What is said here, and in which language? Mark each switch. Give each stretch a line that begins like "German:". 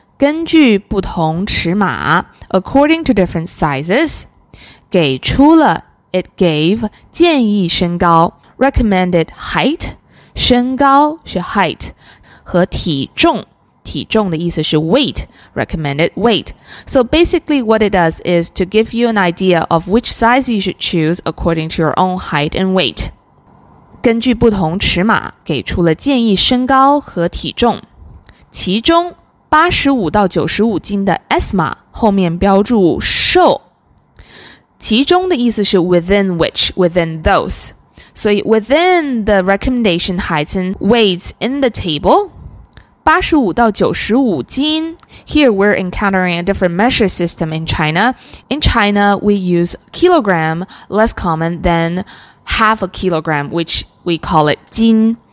Chinese: 根据不同尺码
English: according to different sizes,
Chinese: 给出了
English: it gave
Chinese: 建议身高
English: recommended height,
Chinese: 身高是 height, 和体重体重的意思是 weight,
English: recommended weight. So basically what it does is to give you an idea of which size you should choose according to your own height and weight.
Chinese: 根据不同尺码给出了建议身高和体重。其中85到95斤的 S 码后面标注瘦。其中的意思是
English: within which, within those. 所以 within the recommendation heights and weights in the table,85到95斤 Here we're encountering a different measure system in China. In China, we use kilogram, less common than half a kilogram, which we call it 斤。